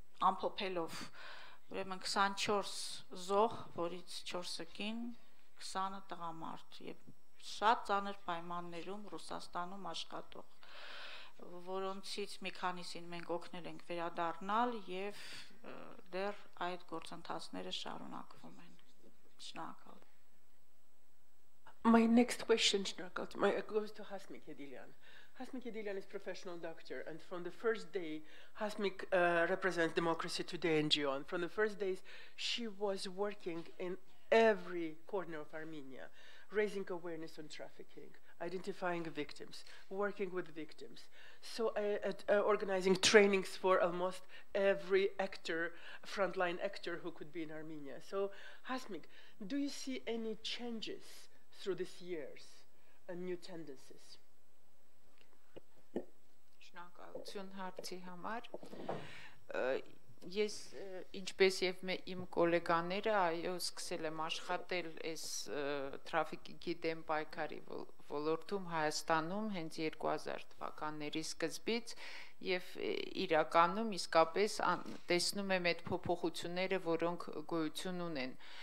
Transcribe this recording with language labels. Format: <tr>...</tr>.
<hy>ամփոփելով, ուրեմն 24 զոհ, որից 4-ը կին, 20-ը տղամարդ, և շատ ծանր պայմաններում Ռուսաստանում աշխատող, որոնցից մի քանիսին մենք օգնել ենք վերադառնալ, և դեռ այդ գործընթացները շարունակվում են։ Շնորհակալ։</hy> <en>My next question, goes to Hasmik Edilian. Hasmik Edilian is a professional doctor, and from the first day, Hasmik represents Democracy Today NGO, and from the first days, she was working in every corner of Armenia, raising awareness on trafficking, identifying victims, working with victims, organizing trainings for almost every actor, frontline actor who could be in Armenia. So, Hasmik, do you see any changes through these years and new tendencies?</en> <hy>Շնորհակալություն հարցի համար։ Ես, ինչպես և իմ կոլեգաները, այո, սկսել եմ աշխատել այս տրաֆիկինգի դեմ պայքարի ոլորտում Հայաստանում հենց 2000 թվականների սկզբից, և իրականում իսկապես տեսնում եմ այդ փոփոխությունները, որոնք գոյություն ունեն,</hy>